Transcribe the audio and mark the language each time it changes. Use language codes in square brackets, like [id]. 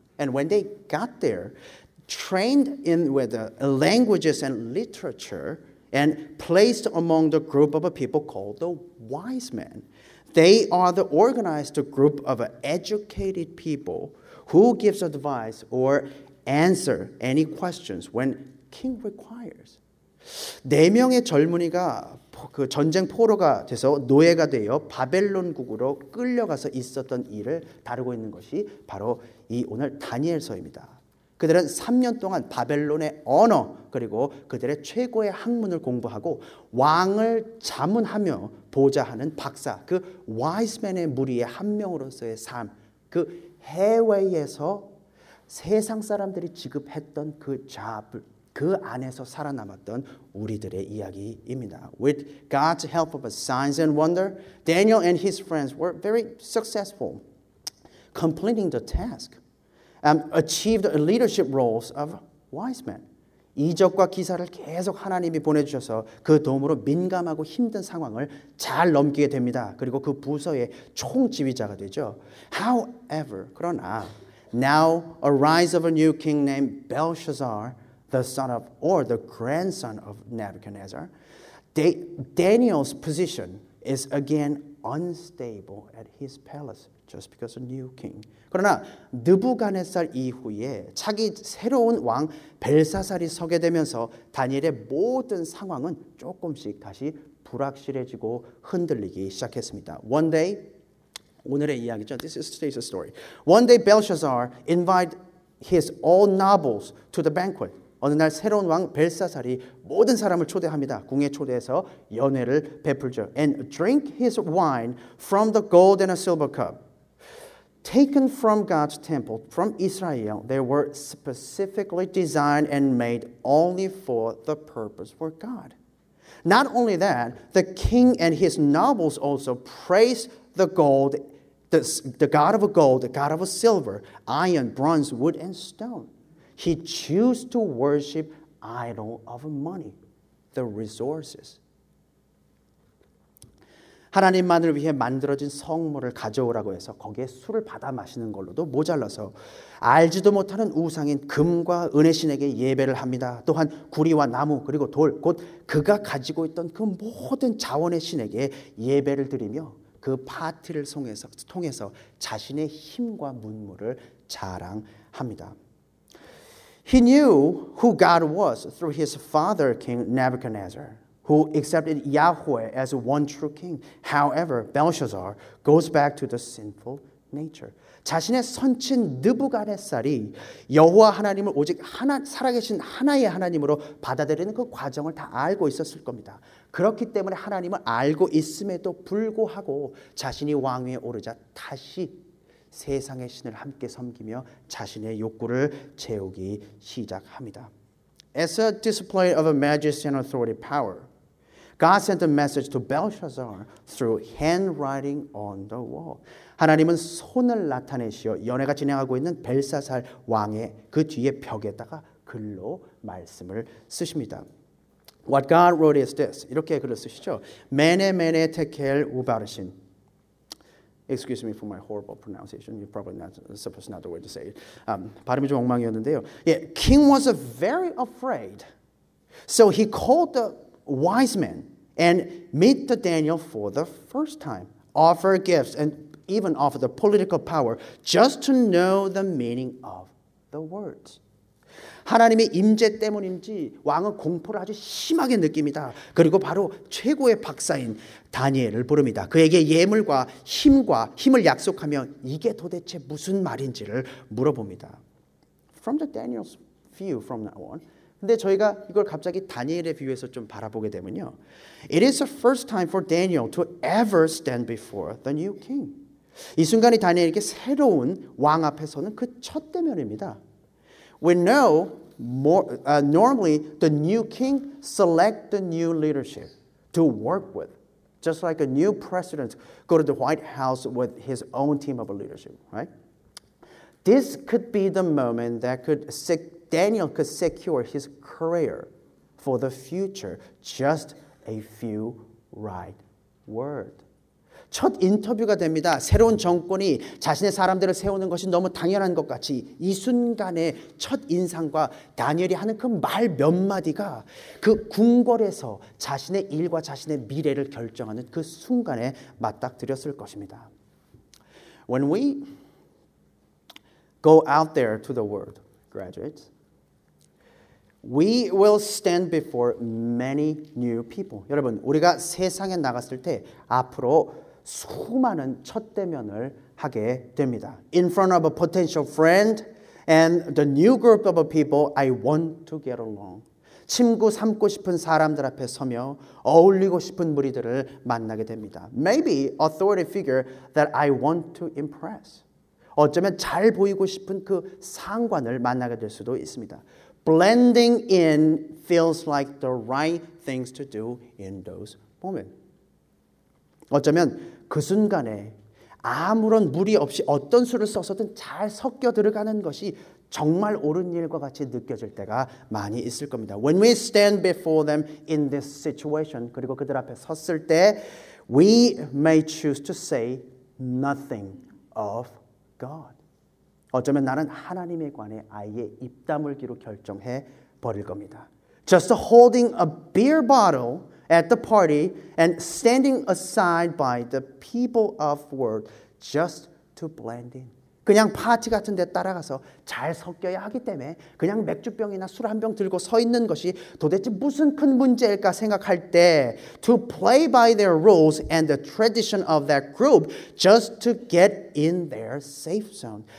[en] And when they got there, trained in with the languages and literature and placed among the group of a people called the wise men. They are the organized group of educated people who gives advice or answer any questions when king requires. [ko] 네 명의 젊은이가 그 전쟁 포로가 돼서 노예가 되어 바벨론국으로 끌려가서 있었던 일을 다루고 있는 것이 바로 이 오늘 다니엘서입니다. 그들은 3년 동안 바벨론의 언어 그리고 그들의 최고의 학문을 공부하고 왕을 자문하며 보좌 하는 박사, 그 와이스맨의 무리의 한 명으로서의 삶, 그 해외에서 세상 사람들이 지급했던 그 잡, 그 안에서 살아남았던 우리들의 이야기입니다. [en] With God's help of signs and wonder, Daniel and his friends were very successful completing the task. Achieved leadership roles of wise men. [ko] 이적과 기사를 계속 하나님이 보내주셔서 그 도움으로 민감하고 힘든 상황을 잘 넘기게 됩니다. 그리고 그 부서의 총지휘자가 되죠. [en] However, [ko] 그러나 [en] now arise of a new king named Belshazzar, the son of or the grandson of Nebuchadnezzar. Daniel's position is again unstable at his palace. Just because a new king. [ko] 그러나 느부갓네살 이후에 차기 새로운 왕 벨사살이 서게 되면서 다니엘의 모든 상황은 조금씩 다시 불확실해지고 흔들리기 시작했습니다. [en] One day, [ko] 오늘의 이야기죠. [en] This is today's story. One day Belshazzar invited his all nobles to the banquet. [ko] 어느 날 새로운 왕 벨사살이 모든 사람을 초대합니다. 궁에 초대해서 연회를 베풀죠. [en] And drink his wine from the gold and a silver cup. Taken from God's temple, from Israel, they were specifically designed and made only for the purpose for God. Not only that, the king and his nobles also praised the gold, the God of gold, the God of silver, iron, bronze, wood, and stone. He chose to worship idol of money, the resources. [ko] 하나님만을 위해 만들어진 성물을 가져오라고 해서 거기에 술을 받아 마시는 걸로도 모자라서 알지도 못하는 우상인 금과 은혜신에게 예배를 합니다. 또한 구리와 나무 그리고 돌, 곧 그가 가지고 있던 그 모든 자원의 신에게 예배를 드리며 그 파티를 통해서 자신의 힘과 문물을 자랑합니다. [en] He knew who God was through his father, King Nebuchadnezzar, who accepted Yahweh as one true king. However, Belshazzar goes back to the sinful nature. [ko] 자신의 선친 느부갓네살이 여호와 하나님을 오직 하나 살아계신 하나의 하나님으로 받아들이는 그 과정을 다 알고 있었을 겁니다. 그렇기 때문에 하나님을 알고 있음에도 불구하고 자신이 왕위에 오르자 다시 세상의 신을 함께 섬기며 자신의 욕구를 채우기 시작합니다. [en] As a display of a majesty and authority power, God sent a message to Belshazzar through handwriting on the wall. [ko] 하나님은 손을 나타내시어 연회가 진행하고 있는 벨사살 왕의 그 뒤에 벽에다가 글로 말씀을 쓰십니다. [en] What God wrote is this. [ko] 이렇게 글을 쓰시죠. [arc] 메네 메네 테켈 우바르신. [en] Excuse me for my horrible pronunciation. You're probably not supposed to know the way to say it. [ko] 발음이 좀 엉망이었는데요. [en] Yeah, king was very afraid. So he called the wise men and meet the Daniel for the first time. Offer gifts and even offer the political power just to know the meaning of the words. [ko] 하나님의 임재 때문인지 왕은 공포를 아주 심하게 느낍니다. 그리고 바로 최고의 박사인 다니엘을 부릅니다. 그에게 예물과 힘을 약속하며 이게 도대체 무슨 말인지를 물어봅니다. [en] From the Daniel's view from now on. [ko] 근데 저희가 이걸 갑자기 다니엘의 뷰에서 좀 바라보게 되면요. [en] It is the first time for Daniel to ever stand before the new king. [ko] 이 순간이 다니엘에게 새로운 왕 앞에서는 그 첫 대면입니다. [en] We know more, normally the new king select the new leadership to work with, just like a new president go to the White House with his own team of leadership, right? This could be the moment that Daniel could secure his career for the future, just a few right words. [ko] 첫 인터뷰가 됩니다. 새로운 정권이 자신의 사람들을 세우는 것이 너무 당연한 것 같이 이 순간의 첫 인상과 다니엘이 하는 그 말 몇 마디가 그 궁궐에서 자신의 일과 자신의 미래를 결정하는 그 순간에 맞닥뜨렸을 것입니다. [en] When we go out there to the world, graduates, we will stand before many new people. [ko] 여러분, 우리가 세상에 나갔을 때 앞으로 수많은 첫 대면을 하게 됩니다. [en] In front of a potential friend and the new group of people I want to get along. [ko] 친구 삼고 싶은 사람들 앞에 서며 어울리고 싶은 무리들을 만나게 됩니다. [en] Maybe authority figure that I want to impress. [ko] 어쩌면 잘 보이고 싶은 그 상관을 만나게 될 수도 있습니다. [en] Blending in feels like the right things to do in those moments. [ko] 어쩌면 그 순간에 아무런 무리 없이 어떤 수를 써서든 잘 섞여 들어가는 것이 정말 옳은 일과 같이 느껴질 때가 많이 있을 겁니다. [en] When we stand before them in this situation, [ko] 그리고 그들 앞에 섰을 때 [en] we may choose to say nothing of God. [ko] 어쩌면 나는 하나님에 관해 아예 입 다물기로 결정해 버릴 겁니다. [en] Just holding a beer bottle at the party and standing aside by the people of the world just to blend in. [ko] 그냥 파티 같은 데 따라가서 잘 섞여야 하기 때문에 그냥 맥주병이나 술 한 병 들고 서 있는 것이 도대체 무슨 큰 문제일까 생각할 때 [en] to play by their rules and the tradition of that group just to get in their safe zone.